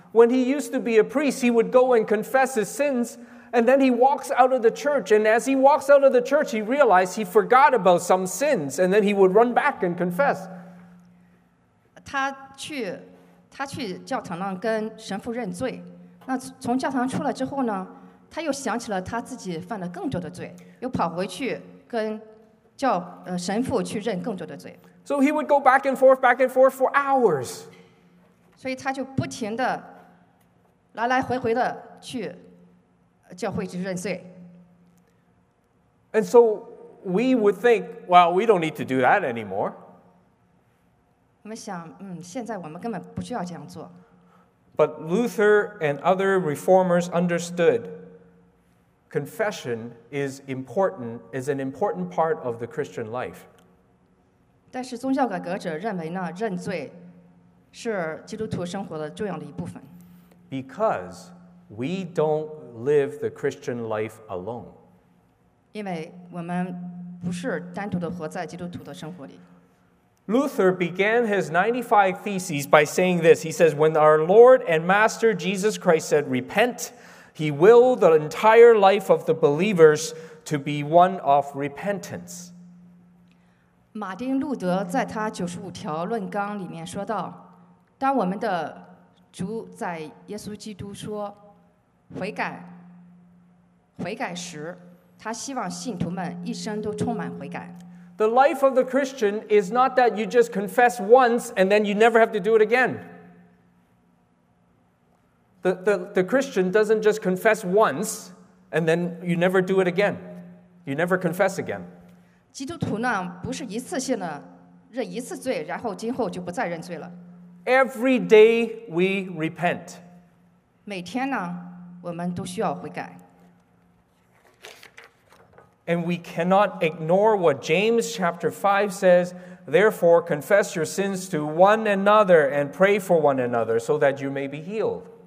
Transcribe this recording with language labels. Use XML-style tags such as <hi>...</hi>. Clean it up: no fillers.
<en>When he used to be a priest, he would go and confess his sins, and then he walks out of the church. And as he walks out of the church, he realized he forgot about some sins, and then he would run back and confess.</en> <zh>他去教堂呢，跟神父认罪。那从教堂出来之后呢，他又想起了他自己犯了更多的罪，又跑回去跟神父去认更多的罪。</zh> <en>So he would go back and forth for hours.</en> <zh>所以他就不停地来来回回的去教会去认罪。</zh> <en>And so we would think, well, we don't need to do that anymore.</en> <zh>我们想，现在我们根本不需要这样做。</zh> <en>But Luther and other reformers understood confession is important, is an important part of the Christian life.</en> <zh>但是宗教改革者认为呢，认罪是基督徒生活的重要的一部分。</zh> <en>Because we don't live the Christian life alone.</en> <zh>因为我们不是单独的活在基督徒的生活里。</zh> <en>Luther began his 95 theses by saying this. He says, when our Lord and Master Jesus Christ said, repent, he willed the entire life of the believers to be one of repentance.</en> <zh>马丁·路德在他95条论纲里面说道，当我们的主在耶稣基督说悔改，悔改时，他希望信徒们一生都充满悔改。</zh> <en>The life of the Christian is not that you just confess once and then you never have to do it again. The Christian doesn't just confess once and then you never do it again. You never confess again.</en> <zh>基督徒呢，不是一次性的认一次罪，然后今后就不再认罪了。</zh> <en>Every day we repent.</en> <zh>每天呢，我们都需要悔改。</zh> <en>And we cannot ignore what James chapter 5 says. Therefore, confess your sins to one another and pray for one another so that you may be healed.</en>